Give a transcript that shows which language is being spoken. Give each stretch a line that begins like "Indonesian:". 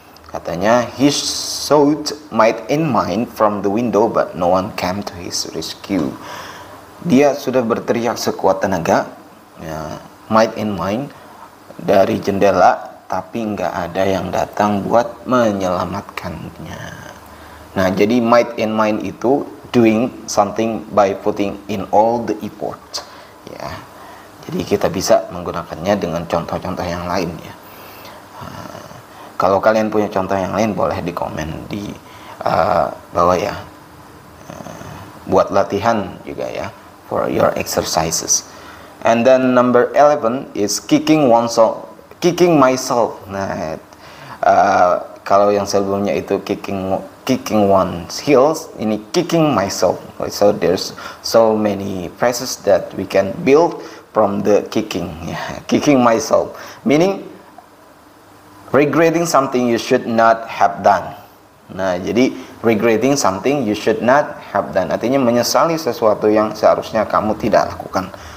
Indonesian: Katanya
English: he shouted might and mine from the window, but no one came to his rescue.
Indonesian: Dia sudah berteriak sekuat tenaga, ya, might and mine dari jendela, tapi enggak ada yang datang buat menyelamatkannya. Nah, jadi
English: might and mine itu doing something by putting in all the effort, ya.
Indonesian: Jadi kita bisa menggunakannya dengan contoh-contoh yang lain, ya. Kalau kalian punya contoh yang lain, boleh di komen di bawah, ya. Buat latihan juga, ya,
English: for your exercises. And then number 11 is kicking myself.
Indonesian: Nah, kalau yang sebelumnya itu kicking one's heels, ini kicking myself.
English: So there's so many phrases that we can build from the kicking. Yeah, kicking myself, meaning regretting something you should not have done.
Indonesian: Nah, jadi
English: regretting something you should not have done
Indonesian: artinya menyesali sesuatu yang seharusnya kamu tidak lakukan.